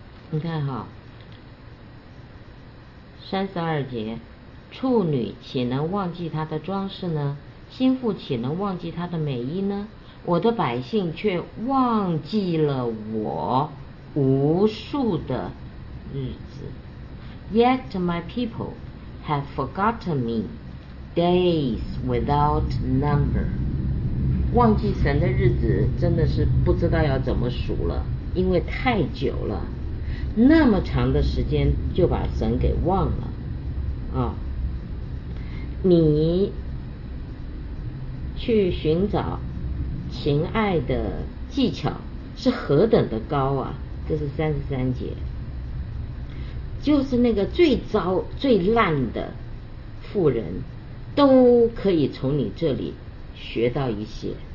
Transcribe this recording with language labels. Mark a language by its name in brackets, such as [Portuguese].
[Chinese] 你看哈，32节，处女岂能忘记她的装饰呢？心腹岂能忘记她的美衣呢？我的百姓却忘记了我无数的日子。 [English] Yet my people have forgotten me days without number. [Chinese] 忘记神的日子真的是不知道要怎么数了，因为太久了，那么长的时间就把神给忘了啊。你去寻找情爱的技巧是何等的高啊，这是33节，就是那个最糟最烂的妇人都可以从你这里学到一些